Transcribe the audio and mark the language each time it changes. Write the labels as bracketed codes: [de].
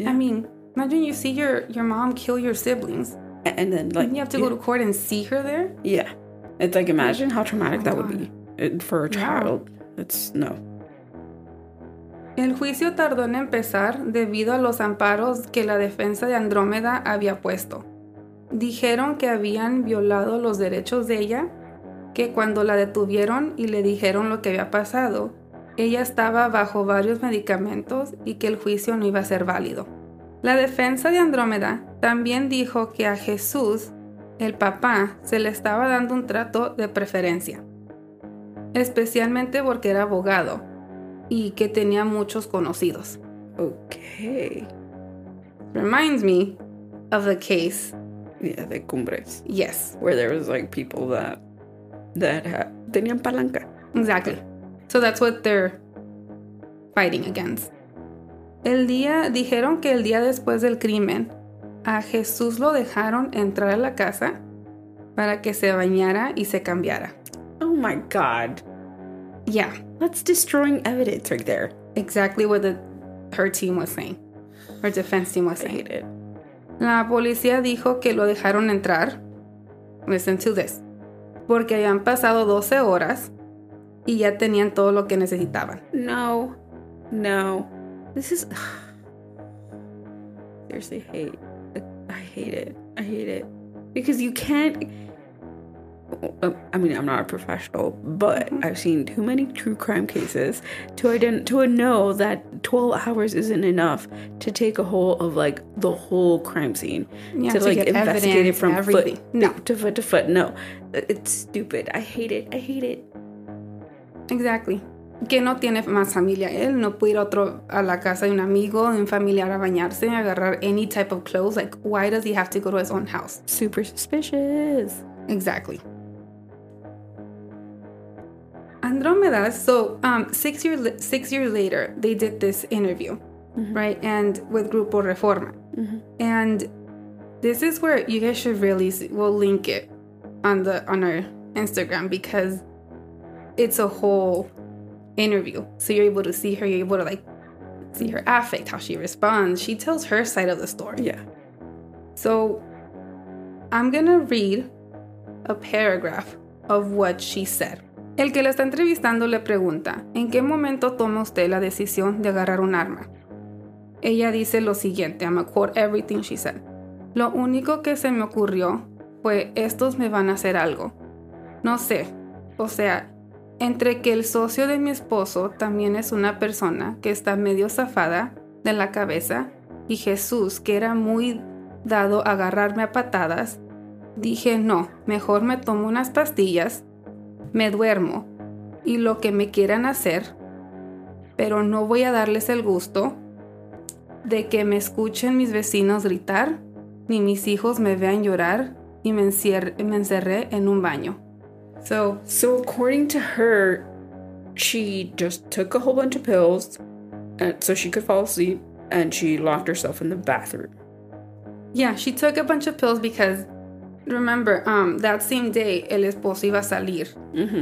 [en] Yeah. I mean, imagine you see your mom kill your siblings. And then like, and you have to go to court and see her there. Yeah. It's like, imagine how traumatic would be for a child. Yeah. It's no. [es] El juicio tardó en empezar debido a los amparos que la defensa de Andrómeda había puesto. Dijeron que habían violado los derechos de ella, que cuando la detuvieron y le dijeron lo que había pasado, ella estaba bajo varios medicamentos y que el juicio no iba a ser válido. La defensa de Andrómeda también dijo que a Jesús, el papá, se le estaba dando un trato de preferencia, especialmente porque era abogado y que tenía muchos conocidos. [en] Okay. Reminds me of the case. Yeah, [es] de Cumbres. [en] Yes. Where there was like people that [es] tenían palanca. [en] Exactly. So that's what they're fighting against. [es] Dijeron que el día después del crimen, a Jesús lo dejaron entrar a la casa para que se bañara y se cambiara. [en] Oh my God. Yeah. That's destroying evidence right there. Exactly what her team was saying. Her defense team was saying. I hate it. [es] La policía dijo que lo dejaron entrar. [en] Listen to this. [es] Porque habían pasado 12 horas y ya tenían todo lo que necesitaban. [en] No. No. This is... Seriously, I hate it. Because you can't... I mean, I'm not a professional, but I've seen too many true crime cases to know that 12 hours isn't enough to take a hold of, like, the whole crime scene. Yeah, to like, investigate it from everything. Foot to foot. No, it's stupid. I hate it. Exactly. [es] Que no tiene más familia él, no puede ir otro a la casa de un amigo, de un familiar a bañarse, a agarrar [en] any type of clothes. Like, why does he have to go to his own house? Super suspicious. Exactly. Andrómeda, so 6 years later, they did this interview, mm-hmm. right? And with Grupo Reforma. Mm-hmm. And this is where you guys should really see, we'll link it on our Instagram, because it's a whole interview. So you're able to see her, you're able to like see her affect, how she responds. She tells her side of the story. Yeah. So I'm going to read a paragraph of what she said. [es] El que la está entrevistando le pregunta, ¿en qué momento toma usted la decisión de agarrar un arma? Ella dice lo siguiente, [en] I'm going to quote everything she said. [es] Lo único que se me ocurrió fue, estos me van a hacer algo. No sé, o sea, entre que el socio de mi esposo también es una persona que está medio zafada de la cabeza y Jesús, que era muy dado a agarrarme a patadas, dije, no, mejor me tomo unas pastillas, me duermo y lo que me quieran hacer, pero no voy a darles el gusto de que me escuchen mis vecinos gritar ni mis hijos me vean llorar y me encerré en un baño. [en] So according to her, she just took a whole bunch of pills and so she could fall asleep and she locked herself in the bathroom. Yeah, she took a bunch of pills because remember, that same day, [es] el esposo iba a salir [en] mm-hmm.